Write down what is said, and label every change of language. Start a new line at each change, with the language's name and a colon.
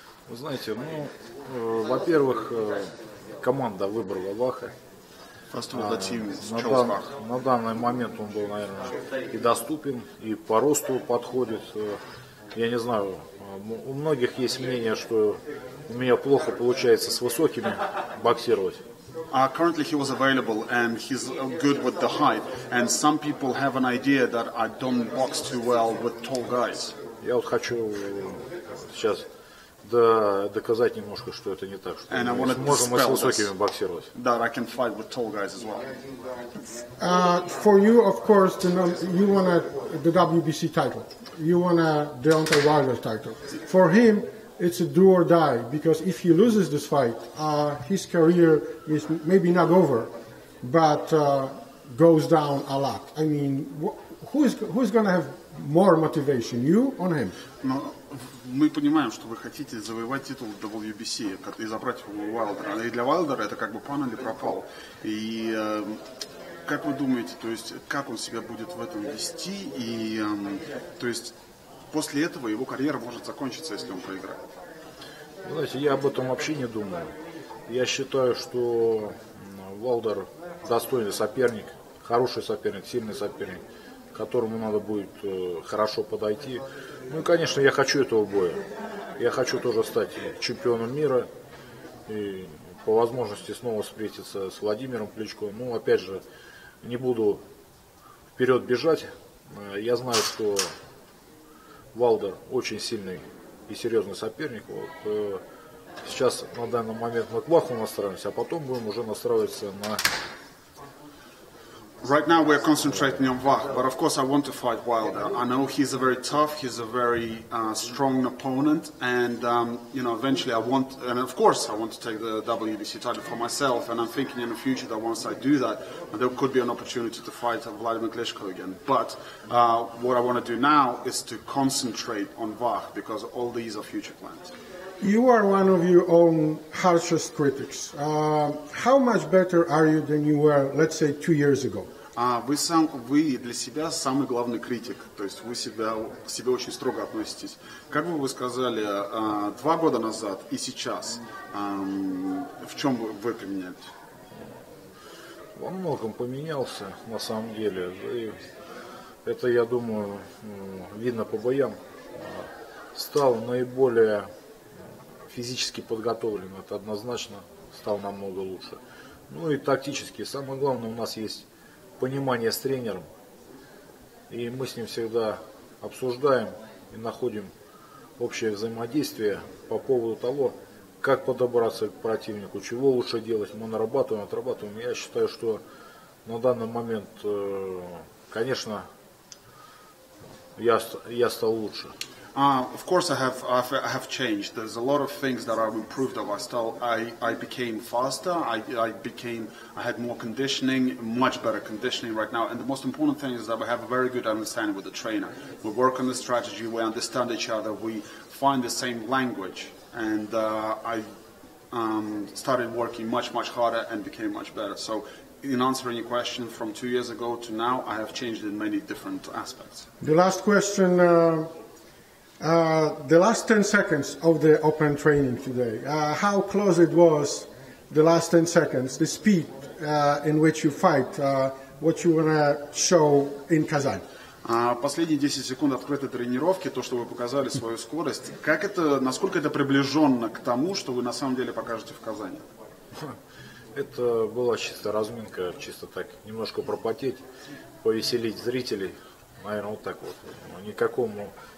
Russian: Вы знаете, ну, во-первых, команда выбрала Ваха. На данный момент он был, наверное, и доступен, и по росту подходит. Я не знаю, у многих есть мнение, что у меня плохо получается с высокими боксировать.
English: Currently he was available and he's good with the height. And some people have an idea that I don't box too well with tall guys.
Russian: Я вот хочу сейчас... Да, доказать немножко, что это не так, что мы можем с высокими боксировать.
English: That I can fight with tall guys as well. For you, of course, you want the WBC title. You want the Deontay Wilder title. For him, it's a do or die, because if he loses this fight, his career is maybe not over, but goes down a lot. I mean, who is going to have more motivation, you or him? No.
Russian: Мы понимаем, что вы хотите завоевать титул WBC и забрать его у Уайлдера. И для Уайлдера это как бы пан или пропал. И как вы думаете, то есть как он себя будет в этом вести? И то есть после этого его карьера может закончиться, если он проиграет? Знаете, я об этом вообще не думаю. Я считаю, что Уайлдер достойный соперник, хороший соперник, сильный соперник, к которому надо будет хорошо подойти. Ну и, конечно, я хочу этого боя. Я хочу тоже стать чемпионом мира и по возможности снова встретиться с Владимиром Кличко. Ну, опять же, не буду вперед бежать. Я знаю, что Уайлдер очень сильный и серьезный соперник. Вот. Сейчас на данный момент мы к Ваху настраиваемся, а потом будем уже настраиваться на...
English: Right now we're concentrating on Wach, but of course I want to fight Wilder. I know he's a very tough, he's a very strong opponent, and you know, eventually I want to take the WBC title for myself, and I'm thinking in the future that once I do that, there could be an opportunity to fight Vladimir Klitschko again. But what I want to do now is to concentrate on Wach, because all these are future plans. You are one of your own harshest critics. How much better are you than you were, let's say, 2 years ago?
Russian: Вы для себя самый главный критик. То есть вы к себе очень строго относитесь. Как бы вы сказали, два года назад и сейчас, в чем вы поменялись? Во многом поменялся, на самом деле. Это, я думаю, видно по боям. Стал наиболее... Физически подготовлен, это однозначно стал намного лучше. Ну и тактически, самое главное, у нас есть понимание с тренером. И мы с ним всегда обсуждаем и находим общее взаимодействие по поводу того, как подобраться к противнику, чего лучше делать. Мы нарабатываем, отрабатываем. Я считаю, что на данный момент, конечно, я стал лучше.
English: Of course, I have changed. There's a lot of things that I've improved of. I became faster. I had more conditioning, much better conditioning right now. And the most important thing is that we have a very good understanding with the trainer. We work on the strategy. We understand each other. We find the same language. And I started working much, much harder and became much better. So, in answering your question from 2 years ago to now, I have changed in many different aspects. The last question. The last 10 seconds of the open training today, how close it was, the last 10 seconds, the speed in which you fight, what you want to show in Kazan?
Russian: Последние 10 секунд открытой тренировки, то, что вы показали свою скорость, как это, насколько это приближенно к тому, что вы на самом деле покажете в Казани? Это была чисто разминка, чисто так немножко пропотеть, повеселить зрителей, наверное, вот так вот, никакому...